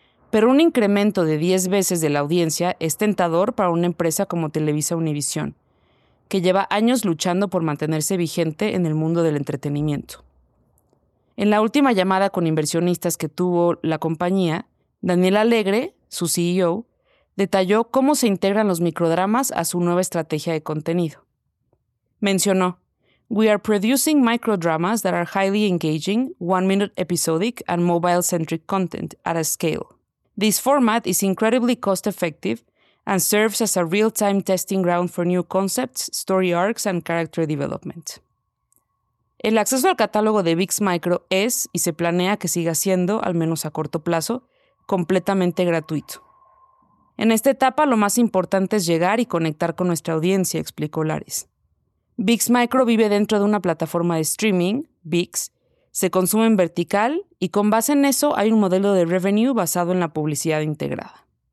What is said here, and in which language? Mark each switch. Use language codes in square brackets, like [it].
[es] Pero un incremento de 10 veces de la audiencia es tentador para una empresa como Televisa Univisión, que lleva años luchando por mantenerse vigente en el mundo del entretenimiento. En la última llamada con inversionistas que tuvo la compañía, Daniel Alegre, su CEO, detalló cómo se integran los microdramas a su nueva estrategia de contenido. Mencionó, [en] "We are producing microdramas that are highly engaging, one-minute episodic and mobile-centric content at a scale. This format is incredibly cost-effective and serves as a real-time testing ground for new concepts, story arcs, and character development." [es] El acceso al catálogo de Vix Micro es, y se planea que siga siendo, al menos a corto plazo, completamente gratuito. En esta etapa, lo más importante es llegar y conectar con nuestra audiencia, explicó Lares. Vix Micro vive dentro de una plataforma de streaming, Vix, se consume en vertical y con base en eso hay un modelo de revenue basado en la publicidad integrada.